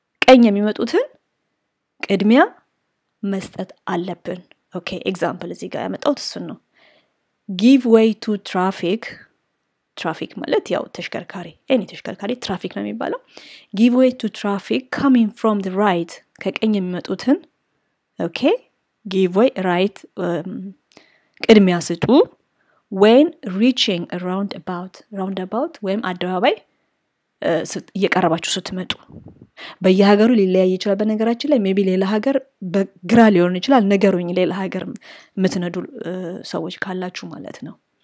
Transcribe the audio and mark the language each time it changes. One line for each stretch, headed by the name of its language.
Amharic: ቀኝ የሚመጡትን ቅድሚያ መስጠት አለብን. ኦኬ, ኤግዛምፕል እዚህ ጋር ያመጣሁት እሱን ነው.
English: give way to traffic.
Amharic: traffic ማለት ያው ተሽከርካሪ, any ተሽከርካሪ traffic ነው የሚባለው.
English: give way to traffic coming from the right.
Amharic: ከቀኝ የሚመጡትን ኦኬ, give way right, ቅድሚያ ስጡ.
English: when reaching around about,
Amharic: ወይም አደባባይ እየቀረባችሁ ስትመጡ. በየሀገሩ ሊለያይ ይችላል በነገራችን ላይ, maybe ሌላ ሀገር በግራ ሊሆን ይችላል, ነገሩኝ ሌላ ሀገር ምትነዱ ሰዎች ካላችሁ ማለት ነው.